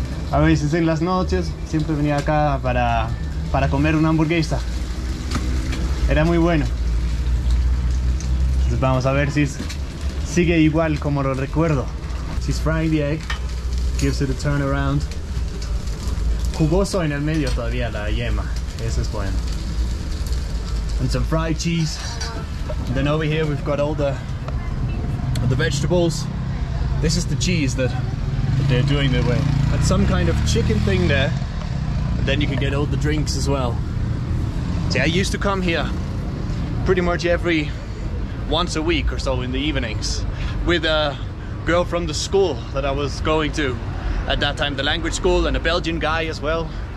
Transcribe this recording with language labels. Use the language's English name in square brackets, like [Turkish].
[Spanish] A veces en las noches, siempre venía acá para comer una hamburguesa. Era muy bueno. Entonces vamos a ver si sigue igual como lo recuerdo. [English] She's frying the egg, gives it a turn around. [Spanish] Jugoso en el medio todavía la yema, eso es bueno. [English] And some fried cheese. And then over here we've got all the vegetables. This is the cheese that they're doing their way. That's some kind of chicken thing there. And then you can get all the drinks as well. See, I used to come here pretty much every once a week or so in the evenings with a girl from the school that I was going to at that time, the language school, and a Belgian guy as well.